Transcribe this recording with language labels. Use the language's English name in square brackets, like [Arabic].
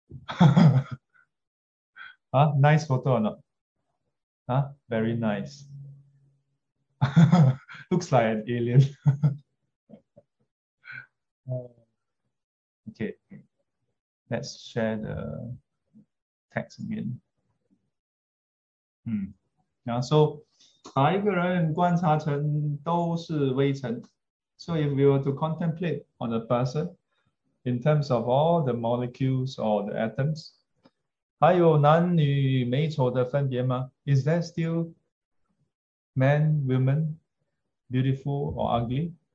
[English] Huh? Nice photo or not? Huh? Very nice. Looks like an alien. Okay, let's share the text again. Yeah, so, [Chinese] 把一个人观察成都是微尘. [English] So, if we were to contemplate on a person in terms of all the molecules or the atoms, [Chinese] 还有男女美丑的分别吗? [English] Is there still man, woman, beautiful or ugly?